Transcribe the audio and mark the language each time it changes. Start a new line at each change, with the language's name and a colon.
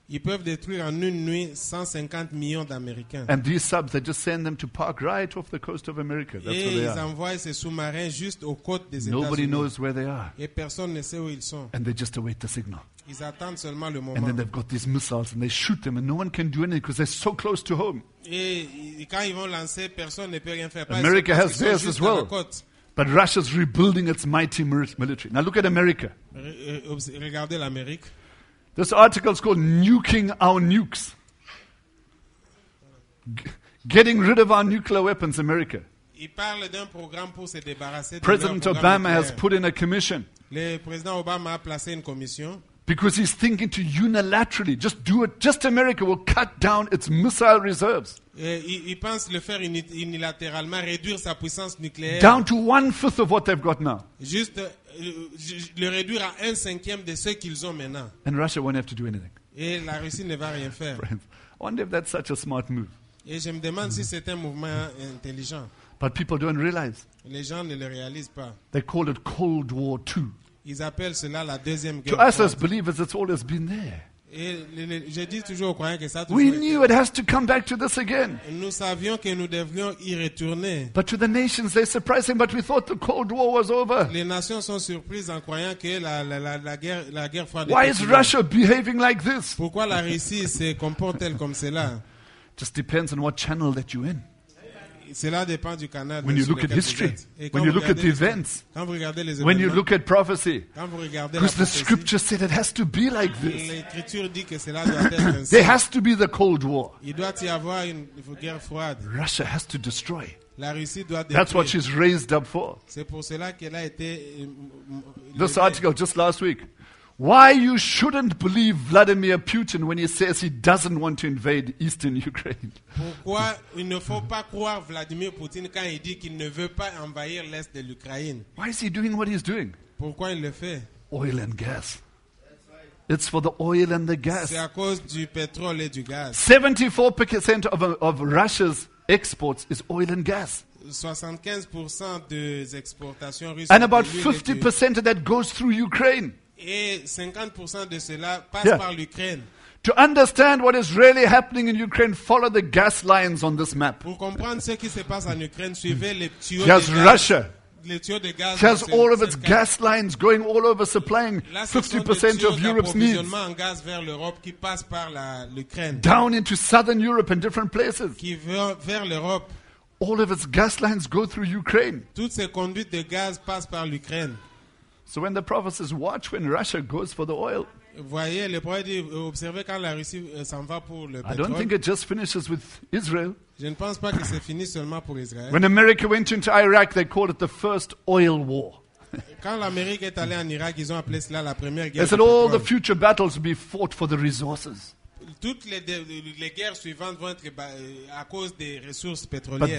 French: Ils peuvent détruire en une nuit 150 millions d'Américains.
English: And these subs, they just send them to park right off the coast of America. That's
French: et
English: where they
French: ils
English: are.
French: Ils envoient ces sous-marins juste aux côtes des États-Unis.
English: Nobody knows where they are.
French: Et personne ne sait où ils sont.
English: And they just await the signal.
French: Ils attendent seulement le moment.
English: And then they've got these missiles and they shoot them and no one can do anything because they're so close to home.
French: Et quand ils vont lancer, personne ne peut rien faire.
English: America has theirs as well. But Russia's rebuilding its mighty military. Now look at America.
French: Regardez l'Amérique.
English: This article is called Nuking Our Nukes. Getting rid of our nuclear weapons, America.
French: Il parle d'un programme pour se débarrasser.
English: President
French: de
English: Obama
French: nucléaire.
English: Has put in a commission.
French: Le président Obama a placé une commission.
English: Because he's thinking to unilaterally just do it. Just America will cut down its missile reserves.
French: Il pense le faire unilatéralement, réduire sa puissance nucléaire.
English: Down to 1/5 of what they've got now.
French: Juste le réduire à 1/5 de ce qu'ils ont maintenant.
English: And Russia won't have to do anything.
French: Et la Russie ne va rien faire.
English: Friends, I wonder if that's such a smart move.
French: Et je me demande si c'est un mouvement intelligent.
English: But people don't realize.
French: Les gens ne le réalisent pas.
English: They call it Cold War II.
French: Ils appellent cela la deuxième guerre.
English: To us as believers, it's always been there.
French: Et je dis toujours aux croyants que ça.
English: We knew it has to come back to this again.
French: Nous savions que nous devrions y retourner.
English: But to the nations, they're surprising. But we thought the Cold War was over.
French: Les nations sont surprises en croyant que la guerre froide.
English: Why is Russia behaving like this?
French: Pourquoi la Russie se comporte-t-elle comme cela?
English: Just depends on what channel that you're in.
French: Cela dépend du canal.
English: When you look at history, when you look at the events,
French: quand vous regardez les
English: événements, when you look at prophecy,
French: quand vous regardez la prophétie,
English: because the scripture said it has to be like this.
French: L'écriture dit que cela doit être ainsi.
English: There has to be the Cold War.
French: Il doit y avoir une guerre froide.
English: Russia has to destroy.
French: La Russie doit détruire.
English: That's what she's raised up for.
French: C'est pour cela qu'elle a été.
English: This article just last week. Why you shouldn't believe Vladimir Putin when he says he doesn't want to invade eastern Ukraine?
French: Pourquoi il ne faut pas croire Vladimir Poutine quand il dit qu'il ne veut pas envahir l'est de l'Ukraine?
English: Why is he doing what he's doing?
French: Pourquoi il le fait?
English: Oil and gas. It's for the oil and the gas.
French: C'est à cause du pétrole et du gaz.
English: 74% of Russia's exports is oil and gas.
French: 75% des exportations russes.
English: And about 50% of that goes through Ukraine.
French: Et 50% de cela passe yeah. par l'Ukraine.
English: To understand what is really happening in Ukraine, follow the gas lines on this map.
French: Pour comprendre ce qui se passe en Ukraine, suivez les tuyaux de gaz.
English: Here's Russia.
French: Les tuyaux de gaz.
English: She has all of its gas lines going all over, supplying 50% of Europe's needs.
French: Là, ce sont des tuyaux d'approvisionnement en gaz vers l'Europe qui passent par l'Ukraine.
English: Down into southern Europe and different places.
French: Qui vont vers l'Europe.
English: All of its gas lines go through Ukraine.
French: Toutes ces conduites de gaz passent par l'Ukraine.
English: So when the prophet says, "Watch when Russia goes for the oil,"
French: voyez, le prophète dit, observez quand la Russie s'en va pour le pétrole.
English: I don't think it just finishes with Israel.
French: Je ne pense pas que c'est fini seulement pour Israël.
English: When America went into Iraq, they called it the first oil war.
French: Quand l'Amérique est allée en Irak, ils ont appelé cela la première guerre.
English: They said all the future battles will be fought for the resources.
French: Toutes les guerres suivantes vont être à cause des ressources pétrolières.